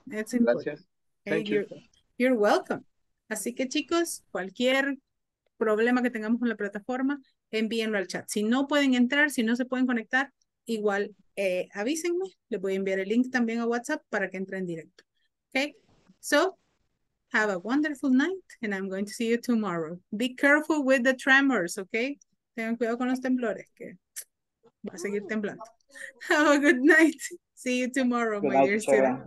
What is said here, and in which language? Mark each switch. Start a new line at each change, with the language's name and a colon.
English: That's important.
Spanish: Gracias.
English: Okay, you're welcome.
Spanish: Así que chicos, cualquier problema que tengamos con la plataforma, envíenlo al chat. Si no pueden entrar, si no se pueden conectar, igual avísenme. Les voy a enviar el link también a WhatsApp para que entren en directo.
English: Okay? So, have a wonderful night and I'm going to see you tomorrow. Be careful with the tremors, okay?
Spanish: Tengan cuidado con los temblores que va a seguir temblando.
English: Have a good night. See you tomorrow, my dear student.